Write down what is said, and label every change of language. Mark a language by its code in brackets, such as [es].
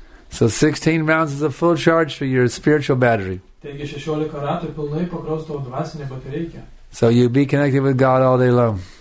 [en] So 16 rounds is a full charge for your spiritual battery. [lt] Taigi 16 ratų pilnai pakraus tavo dvasinę batereikę. [en] So you be connected with God all day long.